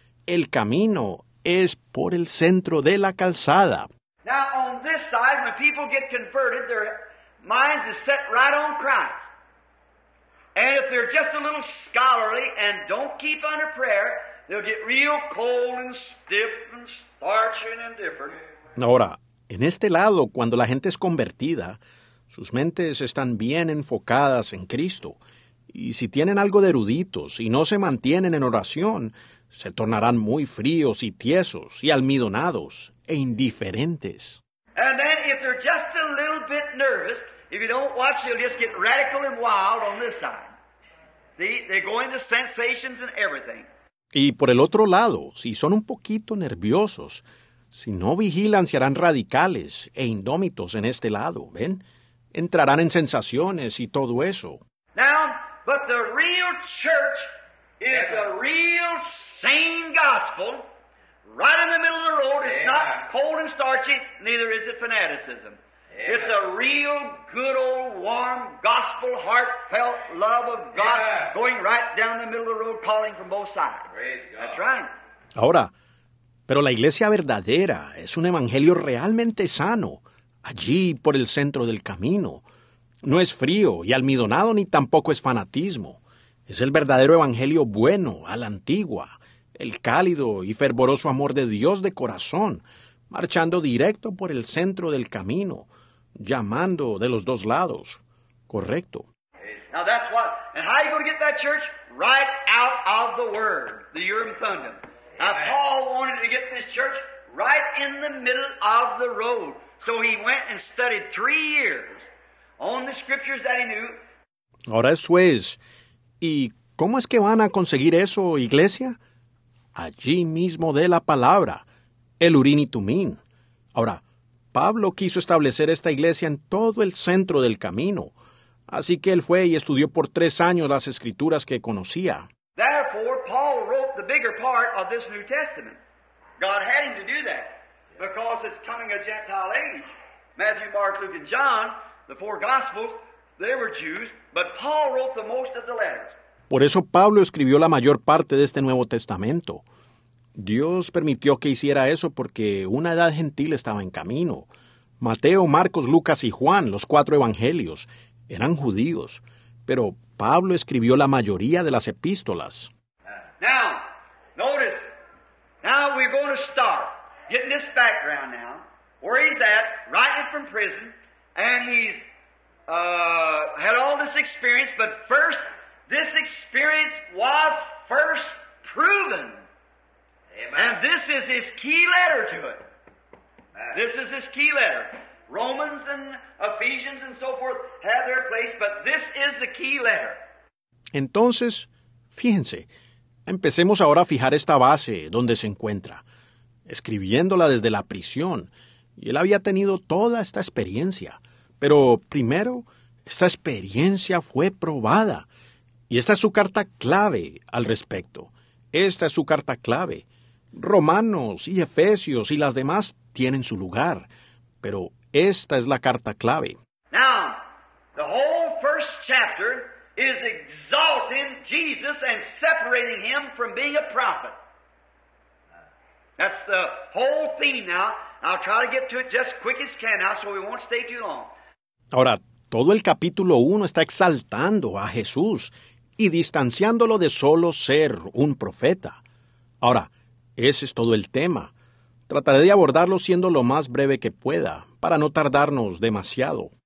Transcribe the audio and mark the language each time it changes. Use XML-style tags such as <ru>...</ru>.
<es>El camino es por el centro de la calzada.</es> <en>Now, on this side, when people get converted, their minds are set right on Christ. And if they're just a little scholarly and don't keep under prayer, they'll get real cold and stiff and starchy and indifferent.</en> <es>Ahora, en este lado, cuando la gente es convertida, sus mentes están bien enfocadas en Cristo. Y si tienen algo de eruditos y no se mantienen en oración, se tornarán muy fríos y tiesos y almidonados e indiferentes.</es> <en>And then if they're just a little bit nervous, if you don't watch, they'll just get radical and wild on this side. See, they're going to sensations and everything.</en> <es>Y por el otro lado, si son un poquito nerviosos, si no vigilan, se harán radicales e indómitos en este lado, ¿ven? Entrarán en sensaciones y todo eso.</es> <en>Now, but the real church is a real sane gospel, right in the middle of the road. It's not cold and starchy, neither is it fanaticism. Yeah. It's a real good old warm gospel, heartfelt love of God going right down the middle of the road, calling from both sides. Praise That's God. Right.</en> <es>Ahora, pero la iglesia verdadera es un evangelio realmente sano, allí por el centro del camino. No es frío y almidonado ni tampoco es fanatismo. Es el verdadero evangelio bueno, a la antigua, el cálido y fervoroso amor de Dios de corazón, marchando directo por el centro del camino, llamando de los dos lados. Correcto.</es> <en>Now that's what, and how are you going to get that church? Right out of the word, the Urim Thummim. Now Paul wanted to get this church right in the middle of the road. So he went and studied 3 years on the scriptures that he knew.</en> <es>Ahora eso es. ¿Y cómo es que van a conseguir eso, iglesia? Allí mismo de la palabra, el Urim y Tumim. Ahora, Pablo quiso establecer esta iglesia en todo el centro del camino. Así que él fue y estudió por 3 años las escrituras que conocía.</es> <en>Therefore, Paul wrote the bigger part of this New Testament. God had him to do that. Because it's coming a Gentile age. Matthew, Mark, Luke, and John, the 4 Gospels, they were Jews, but Paul wrote the most of the letters.</en> <es>Por eso Pablo escribió la mayor parte de este Nuevo Testamento. Dios permitió que hiciera eso porque una edad gentil estaba en camino. Mateo, Marcos, Lucas y Juan, los 4 Evangelios, eran judíos. Pero Pablo escribió la mayoría de las epístolas.</es> <en>Now, notice. Now we're going to start. Getting this background now, where he's at, writing from prison, and he's had all this experience, but first, this experience was first proven. Amen. And this is his key letter to it. Amen. This is his key letter. Romans and Ephesians and so forth have their place, but this is the key letter.</en> <es>Entonces, fíjense, empecemos ahora a fijar esta base donde se encuentra. Escribiéndola desde la prisión. Y él había tenido toda esta experiencia. Pero primero, esta experiencia fue probada. Y esta es su carta clave al respecto. Esta es su carta clave. Romanos y Efesios y las demás tienen su lugar. Pero esta es la carta clave.</es> <en>Now, the whole first chapter is exalting Jesus and separating him from being a prophet. That's the whole theme now. I'll try to get to it just quick as can now, so we won't stay too long.</en> <es>Ahora, todo el capítulo 1 está exaltando a Jesús y distanciándolo de solo ser un profeta. Ahora, ese es todo el tema. Trataré de abordarlo siendo lo más breve que pueda, para no tardarnos demasiado.</es>